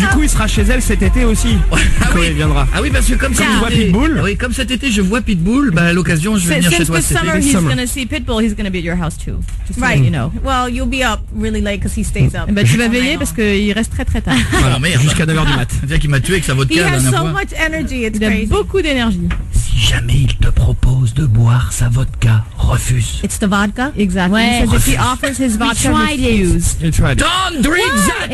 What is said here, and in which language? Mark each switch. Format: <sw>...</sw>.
<fr>Du coup, il sera chez elle cet été aussi. Ah oui, il viendra. Ah oui, parce que comme ça, je vois Pitbull. Ah oui, comme cet été, je vois Pitbull. Bah, à l'occasion, je vais venir chez toi.</fr> <en>Since the summer, he's gonna see Pitbull. He's gonna be at your house too. Just right, you know. Well, you'll be up really late because he stays up.</en> <fr>Bah, tu vas veiller parce qu'il reste très très tard. Voilà, merde. Jusqu'à 9h du mat. Viens qu'il m'a tué avec sa vodka.</fr> <en>He has so much energy. It's crazy.</en> <fr>Il a beaucoup d'énergie. Si jamais il te propose de boire sa vodka, refuse.</fr> <en>It's the vodka, exactly. Ouais. He says if he offers his vodka, refuse. Don't drink that.</en>